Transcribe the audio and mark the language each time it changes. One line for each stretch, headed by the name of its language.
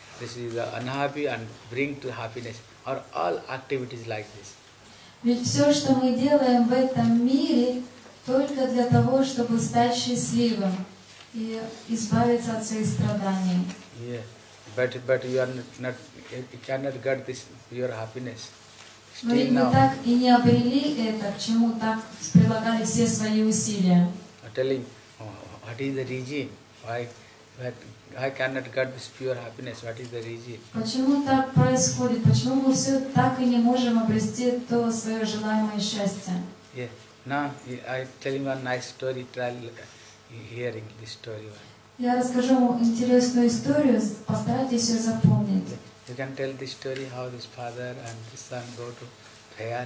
English: This is the unhappy and bring to happiness or all activities like this.
Russian: Ведь все, что мы делаем в этом мире, только для того, чтобы стать счастливым и избавиться от своих страданий.
English: Yeah, but you are not you cannot get this your happiness.
Russian: Но ведь мы так и не обрели это, к чему так прилагали все свои усилия.
English: I'm telling what is the reason why that I cannot get this pure happiness. What is the reason?
Russian: Почему так происходит? Почему мы все так и не можем обрести то свое желаемое счастье?
English: Yeah. Now I tell you a nice story. Try hearing this story.
Russian: Я расскажу вам интересную историю. Постарайтесь ее запомнить.
English: You can tell the story how this father and this son go to fair.